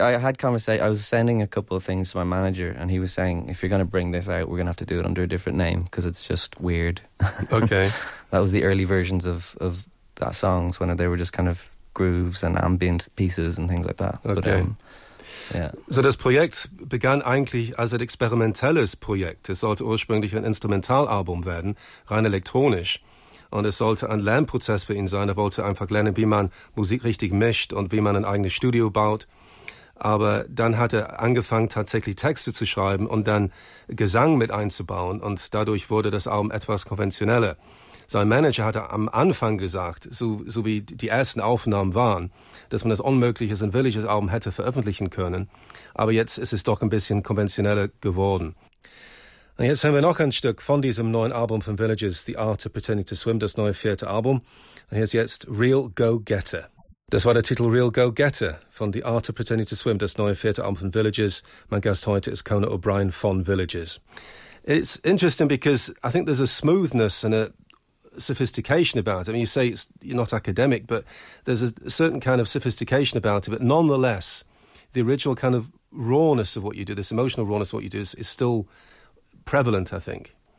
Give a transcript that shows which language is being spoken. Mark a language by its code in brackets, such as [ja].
[en] I was sending a couple of things to my manager, and he was saying, if you're going to bring this out, we're going to have to do it under a different name because it's just weird. Okay. That was the early versions of that songs when they were just kind of grooves and ambient pieces and things like that. Okay. But, yeah. [de] So das Projekt begann eigentlich als ein experimentelles Projekt. Es sollte ursprünglich ein Instrumentalalbum werden, rein elektronisch. Und es sollte ein Lernprozess für ihn sein. Er wollte einfach lernen, wie man Musik richtig mischt und wie man ein eigenes Studio baut. Aber dann hat er angefangen, tatsächlich Texte zu schreiben und dann Gesang mit einzubauen. Und dadurch wurde das Album etwas konventioneller. Sein Manager hatte am Anfang gesagt, so wie die ersten Aufnahmen waren, dass man das Unmögliche, ein Villages Album hätte veröffentlichen können. Aber jetzt ist es doch ein bisschen konventioneller geworden. Und jetzt hören wir noch ein Stück von diesem neuen Album von Villages, The Art of Pretending to Swim, das neue vierte Album. Und hier ist jetzt Real Go-Getter. Das war der Titel Real Go-Getter von The Art of Pretending to Swim, das neue vierte Album von Villages. Mein Gast heute ist Conor O'Brien von Villages. [en] It's interesting because I think there's a smoothness and a sophistication about it. I mean, you say you're not academic, but there's a certain kind of sophistication about it. But nonetheless, the original kind of rawness of what you do, this emotional rawness of what you do is still prevalent, I think.